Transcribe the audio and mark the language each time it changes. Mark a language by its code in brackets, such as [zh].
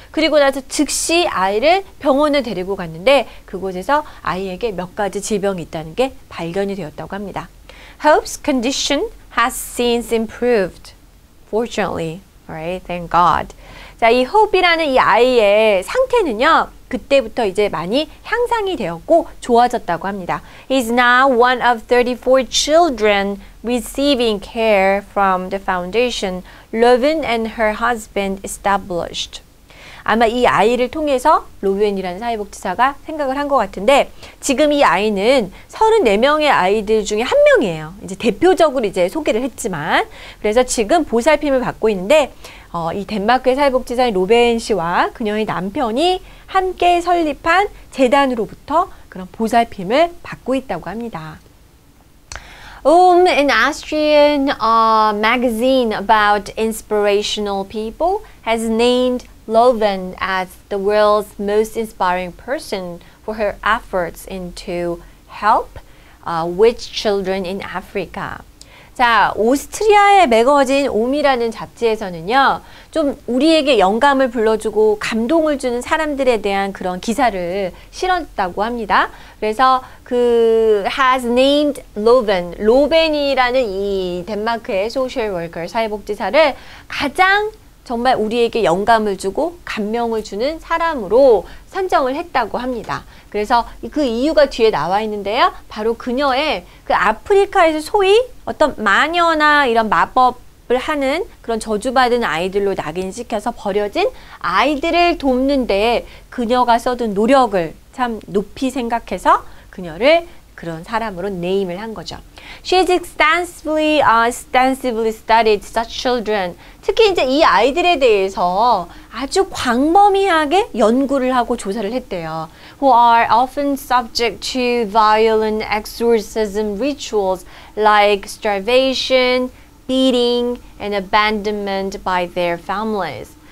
[ko] 그리고 나서 즉시 아이를 병원에 데리고 갔는데 그곳에서 아이에게 몇 가지 질병이 있다는 게 발견이 되었다고 합니다. [en] Hope's condition has since improved. Fortunately, right? Thank God. [ko] 자, 이 Hope이라는 이 아이의 상태는요, 그때부터 이제 많이 향상이 되었고 좋아졌다고 합니다. [en] He's now one of 34 children receiving care from the foundation Lovin and her husband established. [ko] 아마 이 아이를 통해서 로벤이라는 사회복지사가 생각을 한 것 같은데 지금 이 아이는 34명의 아이들 중에 한 명이에요. 이제 대표적으로 이제 소개를 했지만 그래서 지금 보살핌을 받고 있는데 이 덴마크의 사회복지사인 로벤 씨와 그녀의 남편이 함께 설립한 재단으로부터 그런 보살핌을 받고 있다고 합니다. [en] An Austrian magazine about inspirational people has named Lovin as the world's most inspiring person for her efforts into help with children in Africa. [ko] 자, 오스트리아의 매거진 옴이라는 잡지에서는요, 좀 우리에게 영감을 불러주고 감동을 주는 사람들에 대한 그런 기사를 실었다고 합니다. 그래서 그 [en] has named Lovin, [ko] 로벤이라는 이 덴마크의 소셜 워커 사회복지사를 가장 정말 우리에게 영감을 주고 감명을 주는 사람으로 선정을 했다고 합니다. 그래서 그 이유가 뒤에 나와 있는데요. 바로 그녀의 그 아프리카에서 소위 어떤 마녀나 이런 마법을 하는 그런 저주받은 아이들로 낙인시켜서 버려진 아이들을 돕는 데 그녀가 써둔 노력을 참 높이 생각해서 그녀를 그런 사람으로 네임을 한 거죠. [en] She's extensively studied such children. [ko] 특히 이제 이 아이들에 대해서 아주 광범위하게 연구를 하고 조사를 했대요. [en] Who are often subject to violent exorcism rituals like starvation, beating, and abandonment by their families.